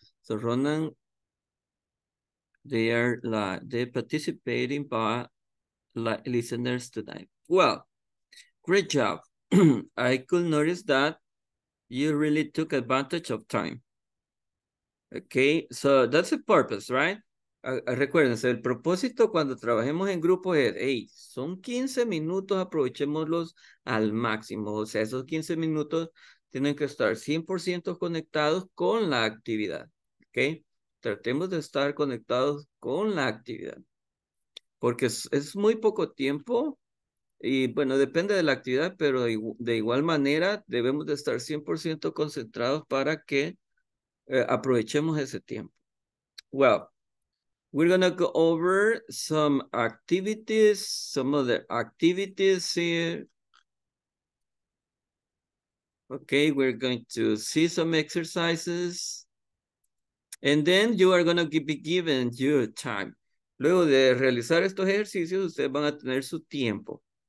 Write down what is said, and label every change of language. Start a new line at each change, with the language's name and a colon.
English: So Ronan, they participating by listeners tonight. Well, great job. I could notice that you really took advantage of time. Okay, so that's the purpose, right?
Spanish: Recuérdense, el propósito cuando trabajemos en grupo es, hey, son 15 minutos, aprovechémoslos al máximo. O sea, esos 15 minutos tienen que estar 100% conectados con la actividad, ¿ok? Tratemos de estar conectados con la actividad, porque es muy poco tiempo y, bueno, depende de la actividad, pero de igual manera debemos de estar 100% concentrados para que aprovechemos ese tiempo.
English: Well, we're going to go over some activities, some other activities here. Okay, we're going to see some exercises. And then you are going to be given your time.
Spanish: Luego de realizar estos ejercicios, ustedes van a tener su tiempo.